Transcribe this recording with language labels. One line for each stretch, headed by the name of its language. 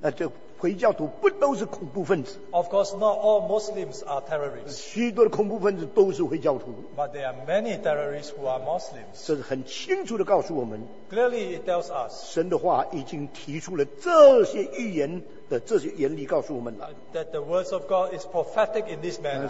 Chinese: 虽然恐怖分子不都是回教徒，不都是恐怖分子。
English: Of course, not all Muslims are terrorists.
Chinese: 许多的恐怖分子都是回教徒。
English: But there are many terrorists who are Muslims.
Chinese: 这是很清楚地告诉我们。
English: Clearly, it tells us.
Chinese: 神的话已经提出了这些预言。
English: That the words of God is prophetic in this manner.